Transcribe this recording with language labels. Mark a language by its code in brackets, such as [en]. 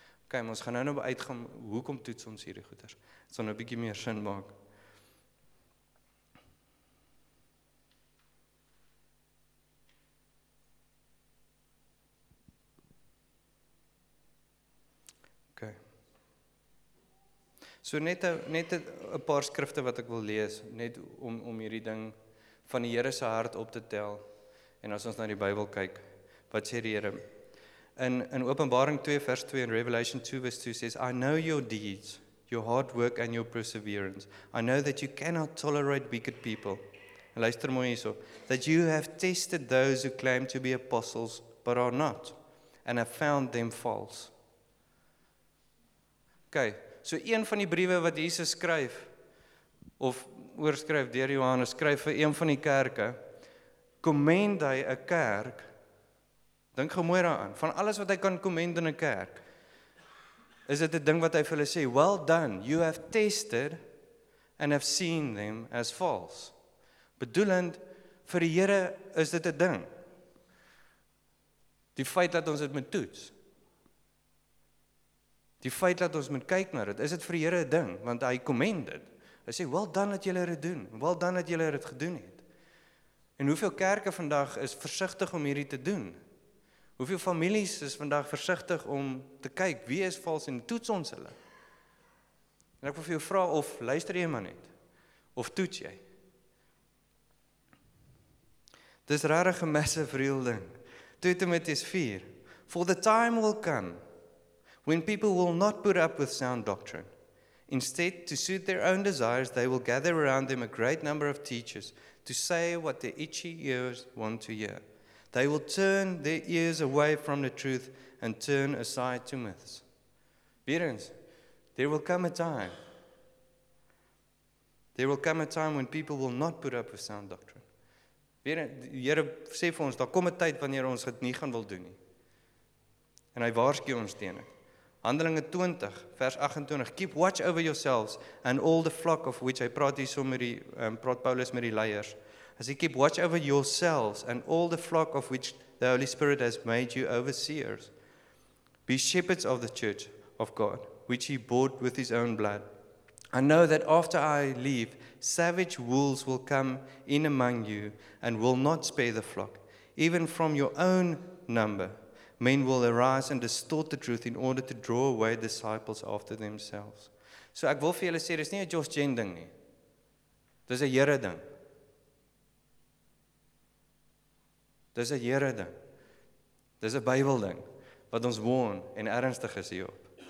[af] Ok, maar ons gaan nou uitgaan, hoekom toets ons hierdie goeders? Het sal nou 'n bietjie meer sin maak. Ok. So net 'n paar skrifte wat ek wil lees, net om hierdie ding van die Here se hart op te tel. En as ons na die Bybel kyk, wat sê die Here? In Openbaring 2 vers 2 en [en] Revelation 2 vers 2 says, I know your deeds, your hard work and your perseverance. I know that you cannot tolerate wicked people. [af] Luister mooi hierso. [en] That you have tested those who claim to be apostles but are not, and have found them false. [af] Okay, so een van die briewe wat Jesus skryf, of oorskryf deur Johannes, skryf vir een van die kerke, commend hy 'n kerk, dink gou mooi daaraan, van alles wat hy kan commend in 'n kerk, is dit 'n ding wat hy vir hulle sê, [en] well done, you have tested and have seen them as false. [af] Bedoelend, vir die Here is dit 'n ding. Die feit dat ons dit moet toets. Die feit dat ons moet kyk na dit, is dit vir die Here 'n ding, want hy commend dit. Hy sê, well done dat julle dit doen, well done dat julle dit gedoen het. En hoeveel kerke vandag is versigtig om hierdie te doen? Hoeveel families is vandag versigtig om te kyk, wie is vals en toets ons hulle? En ek wil vir jou vra, of luister jy maar net, of toets jy? Dit is rarige messe vir heel ding. [en] 2 Timoteus 4, for the time will come, when people will not put up with sound doctrine. Instead, to suit their own desires, they will gather around them a great number of teachers to say what their itchy ears want to hear. They will turn their ears away from the truth and turn aside to myths. Parents, there will come a time. There will come a time when people will not put up with sound doctrine. [af] Parents, die Here sê vir ons, daar kom 'n tyd wanneer ons dit nie gaan wil doen nie. En hy waarsku ons teen dit. [en] Handelinge 20 vers 28 keep watch over yourselves and all the flock of which I [af] praat hier so met die praat Paulus met die leiers [en] as he keep watch over yourselves and all the flock of which the Holy Spirit has made you overseers be shepherds of the church of God which he bought with his own blood I know that after I leave savage wolves will come in among you and will not spare the flock even from your own number Men will arise and distort the truth in order to draw away disciples after themselves. [af] So ek wil vir julle sê, dis nie 'n Josh Jen ding nie. Dis 'n Here ding. Dis 'n Here ding. Dis 'n Bybel ding wat ons woon en ernstig is hierop.